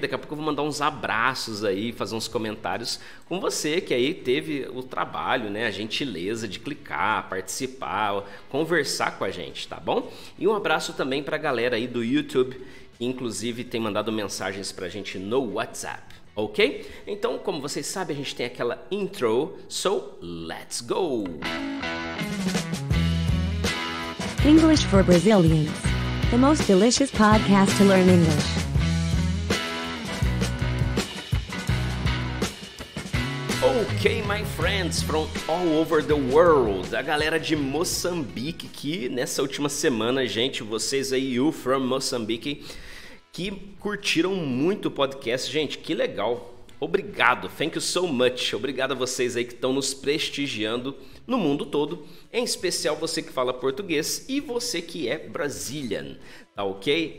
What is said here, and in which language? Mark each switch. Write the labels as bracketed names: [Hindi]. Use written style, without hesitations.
[Portuguese] Daqui a pouco eu vou mandar uns abraços aí, fazer uns comentários com você que aí teve o trabalho, né? A gentileza de clicar, participar, conversar com a gente, tá bom? E um abraço também pra galera aí do YouTube, que inclusive tem mandado mensagens pra gente no WhatsApp. Ok? Então, como vocês sabem, a gente tem aquela intro, [English] so let's go! English for Brazilians, the most delicious podcast to learn English. Ok, my friends from all over the world, [Portuguese] a galera de Moçambique que nessa última semana, gente, vocês aí, [English] you from [Portuguese] Moçambique, que curtiram muito o podcast, gente, que legal, obrigado, [English] thank you so much, [Portuguese] obrigado a vocês aí que estão nos prestigiando no mundo todo, em especial você que fala português e você que é Brazilian, tá ok?